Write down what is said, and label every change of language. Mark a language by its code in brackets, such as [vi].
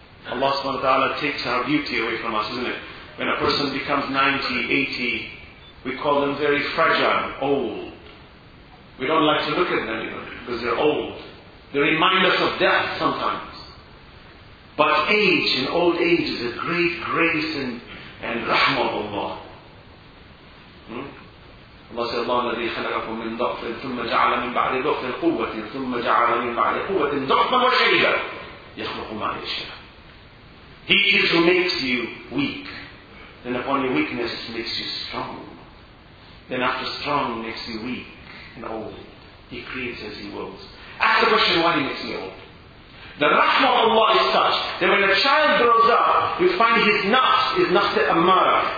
[en] Allah subhanahu wa ta'ala takes our beauty away from us, isn't it? When a person becomes 90, 80, we call them very fragile, old. We don't like to look at them anymore because they're old. They remind us of death sometimes. But age and old age is a great grace and rahmah of Allah. Allah says, [ar] Allah الذي خلقكم من ضعف ثم جعل من بعد ضعف قوة ثم جعل من بعد قوة ضعفا وشيبا يخلق ما يشاء. [en] He is who makes you weak. Then upon your weakness makes you strong. Then after strong makes you weak and old. He creates as he wills. Ask the question, why he makes me old? The rahmah of Allah is such that when a child grows up, you find his nafs is nafs-e ammara.